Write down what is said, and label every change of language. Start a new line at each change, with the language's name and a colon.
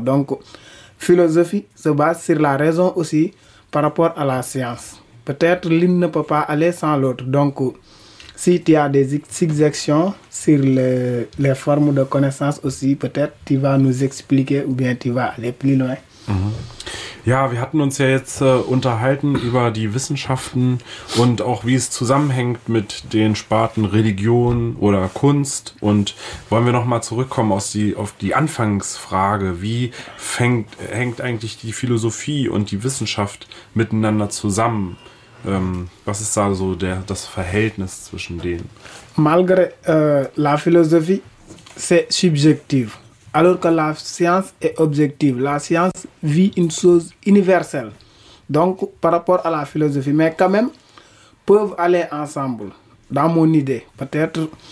French: Donc, philosophie se base sur la raison aussi, par rapport à la science. Peut-être l'une ne peut pas aller sans l'autre. Donc, si tu as des exceptions sur les formes de connaissances aussi, peut-être tu vas nous expliquer, ou bien tu vas aller plus loin.
German: Ja, wir hatten uns ja jetzt unterhalten über die Wissenschaften und auch wie es zusammenhängt mit den Sparten Religion oder Kunst. Und wollen wir nochmal zurückkommen auf die Anfangsfrage, wie hängt eigentlich die Philosophie und die Wissenschaft miteinander zusammen? Was ist da so das Verhältnis zwischen denen?
French: Malgré la philosophie, c'est subjectif. Alors que la science est objective, la science vit une chose universelle, donc par rapport à la philosophie, mais quand même, peuvent aller ensemble, dans mon idée. Peut-être,